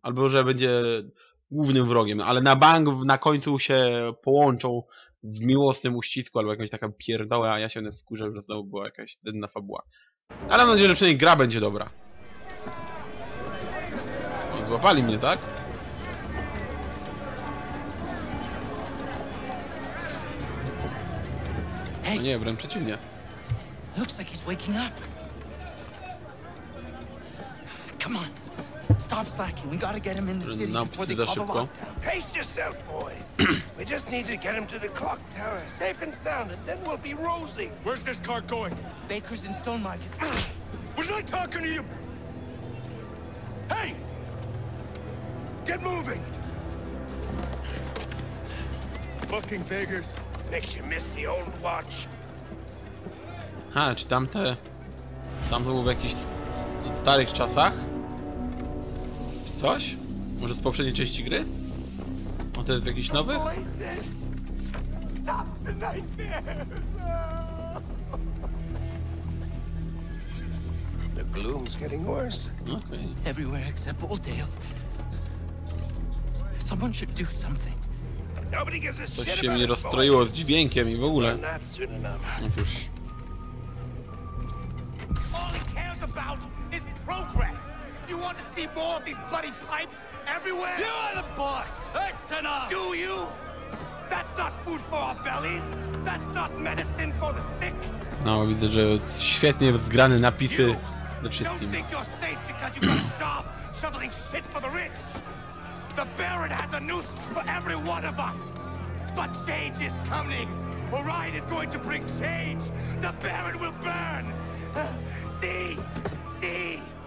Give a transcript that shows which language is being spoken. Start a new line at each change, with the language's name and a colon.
Polish: Albo że będzie głównym wrogiem, ale na bank na końcu się połączą w miłosnym uścisku, albo jakąś taka pierdoła, a ja się wkurzę, że znowu była jakaś denna fabuła. Ale mam nadzieję, że przynajmniej gra będzie dobra. O, złapali mnie, tak? No nie, wręcz przeciwnie.
English: Looks like he's waking up. Come on. Stop slacking. We gotta get him in the city before they call the lockdown. Pace yourself, boy. We just need to get him to the clock tower, safe and sound, and then we'll be rosy. Where's this car going? Baker's in Stone Market. Was I talking to you? Hey! Get moving! Fucking beggars. Makes you miss the old watch.
Polish: Ha, czy tamte... Tamto był w jakichś starych czasach? Coś? Może z poprzedniej części gry? O, to jest w jakiś nowy?
English: The gloom's getting worse. Okay. Everywhere except Oldale. Someone should do something. Nobody gives a shit.
Polish: Coś się mnie rozstroiło z dźwiękiem i w ogóle. No cóż.
English: All he cares about is progress. You want to see more of these bloody pipes everywhere? You are the boss! That's enough! Do you? That's not food for our bellies! That's not medicine for the sick!
Polish: No, widzę, że świetnie zgrane napisy do wszystkim.
English: Don't think you're safe because you got a job shoveling shit for the rich! The Baron has a noose for every one of us! But change is coming! Orion is going to bring change! The Baron will burn! See? See?